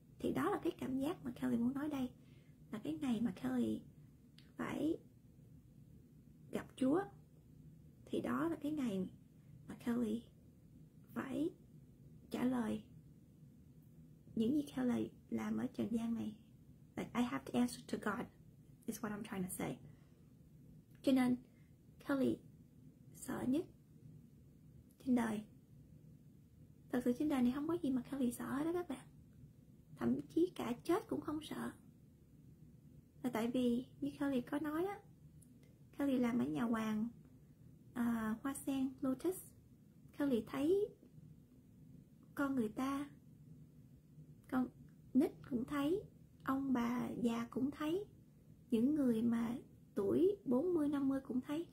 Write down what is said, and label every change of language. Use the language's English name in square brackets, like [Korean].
[Vietnamese] Thì đó là cái cảm giác mà Kelly muốn nói đây, là cái ngày mà Kelly phải gặp Chúa, thì đó là cái ngày mà Kelly phải trả lời những gì Kelly làm ở trần gian này. [English] Like, I have to answer to God is what I'm trying to say. [Vietnamese] Cho nên Kelly sợ nhất trên đời, thật sự trên đời này không có gì mà Kelly sợ đó các bạn. Thậm chí cả chết cũng không sợ, là tại vì như Kelly có nói á, Kelly làm ở nhà hoàng hoa sen lotus, Kelly thấy con người ta, con nít cũng thấy, ông bà già cũng thấy, những người mà tuổi 40-50 cũng thấy.